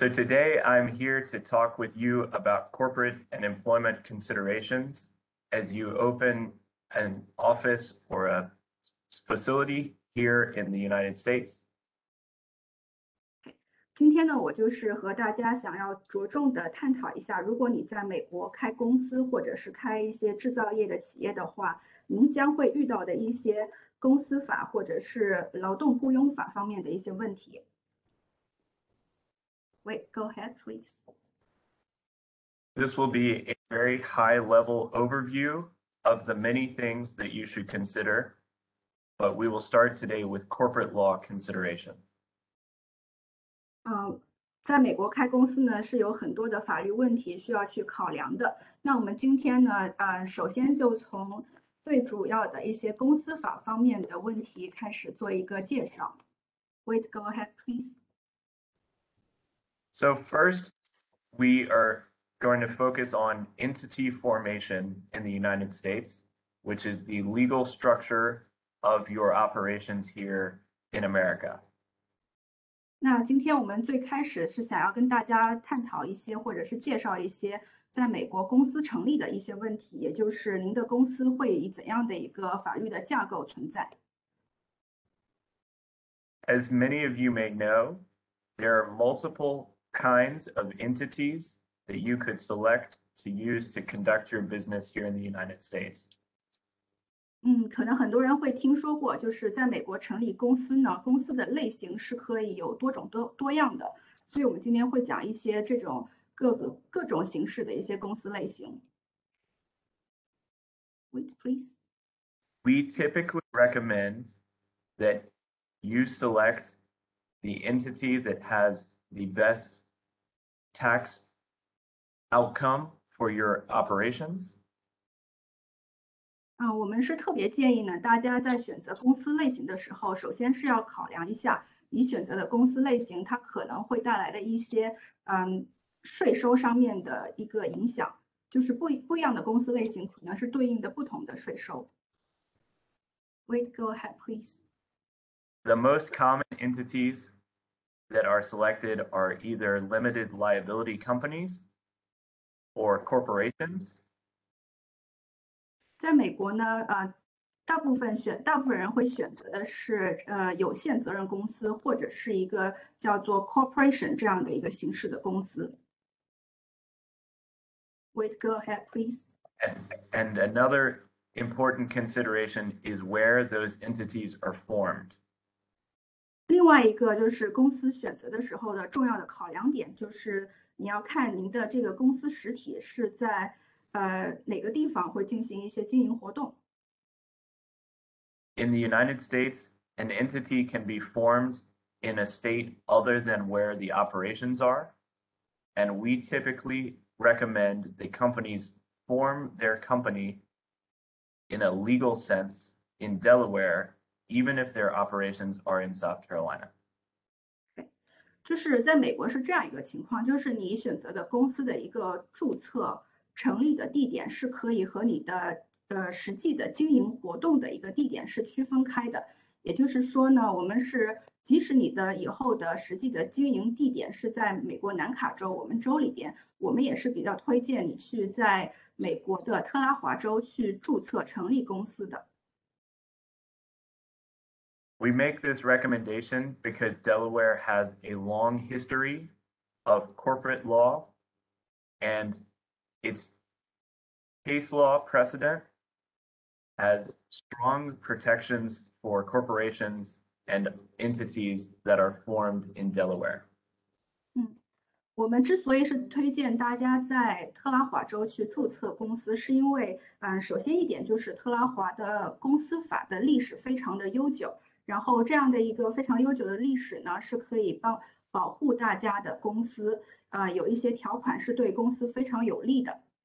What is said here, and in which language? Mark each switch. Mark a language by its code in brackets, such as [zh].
[en] So today I'm here to talk with you about corporate and employment considerations as you open an office or a facility here in the United States. [zh] 今天呢，我就是和大家想要着重的探讨一下，如果你在美国开公司或者是开一些制造业的企业的话，您将会遇到的一些公司法或者是劳动雇佣法方面的一些问题。 [en] Wait, go ahead, please. This will be a very high level overview of the many things that you should consider, but we will start today with corporate law consideration. [zh] 在美国开公司呢是有很多的法律问题需要去考量的。那我们今天呢首先就从最主要的一些公司法方面的问题开始做一个介绍。 Wait, go ahead, please. [en] So first, we are going to focus on entity formation in the United States, which is the legal structure of your operations here in America. [zh] 那今天我们最开始是想要跟大家探讨一些或者是介绍一些在美国公司成立的一些问题，也就是您的公司会以怎样的一个法律的架构存在。 [en] As many of you may know, there are multiple kinds of entities that you could select to use to conduct your business here in the United States. [zh] 可能很多人会听说过，就是在美国成立公司呢，公司的类型是可以有多种多样的，所以我们今天会讲一些这种各种形式的一些公司类型。 [en] Wait, please. We typically recommend that you select the entity that has the best tax outcome for your operations. [zh] 我们是特别建议呢，大家在选择公司类型的时候，首先是要考量一下你选择的公司类型它可能会带来的一些税收上面的一个影响，就是不一样的公司类型可能是对应的不同的税收。 [en] Wait, go ahead, please. The most common entities that are selected are either limited liability companies or corporations. [zh] 在美国呢，大部分人会选择的是有限责任公司或者是一个叫做 corporation 这样的一个形式的公司。 [en] Wait, go ahead, please. And another important consideration is where those entities are formed. [zh] 另外一个就是公司选择的时候的重要的考量点，就是你要看您的这个公司实体是在哪个地方会进行一些经营活动。 [en] In the United States, an entity can be formed in a state other than where the operations are, and we typically recommend the companies form their company in a legal sense in Delaware, even if their operations are in South Carolina. [zh] 就是在美国是这样一个情况，就是你选择的公司的一个注册成立的地点是可以和你的实际的经营活动的一个地点是区分开的。也就是说呢，我们是即使你的以后的实际的经营地点是在美国南卡州，我们州里边，我们也是比较推荐你去在美国的特拉华州去注册成立公司的。 [en] We make this recommendation because Delaware has a long history of corporate law and its case law precedent has strong protections for corporations and entities that are formed in Delaware. [zh] 我们之所以是推荐大家在特拉华州去注册公司，是因为首先一点就是特拉华的公司法的历史非常的悠久，然后这样的一个非常悠久的历史呢是可以保护大家的公司，有一些条款是对公司非常有利的。